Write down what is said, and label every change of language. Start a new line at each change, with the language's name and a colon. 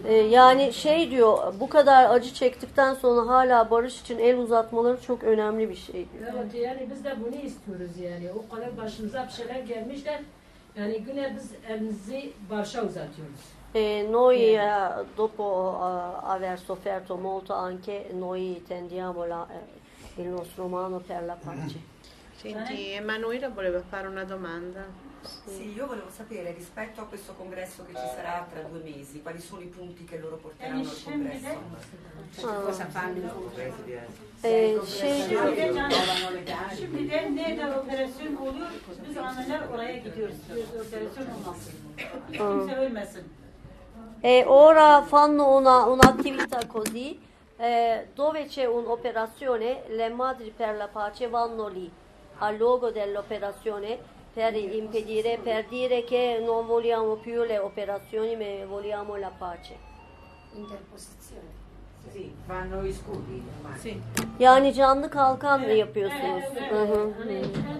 Turkish: Yani şey diyor, bu kadar acı çektikten sonra hala barış için el uzatmaları çok önemli bir şey diyor. Evet, yani biz de bunu istiyoruz yani. O kadar başımıza bir şeyler gelmiş de, yani güne biz elimizi barışa uzatıyoruz.
Italian: Noi dopo aver sofferto molto anche, noi tendiamo il nostro mano per la pace. Senti, Emanuela voleva fare una domanda. Sì. Sì, io volevo sapere, rispetto a questo congresso che ci sarà tra due mesi, quali sono i punti che loro porteranno al congresso? Cosa fanno il congresso? Ora fanno un'attività così, dove c'è un'operazione, le madri per la pace vanno lì, al luogo dell'operazione, per impedire, per dire che non vogliamo più le operazioni, ma vogliamo la pace. Interposizione. Sì, vanno i scudi. Sì.
Turkish: Yani canlı kalkan mı yapıyorsunuz?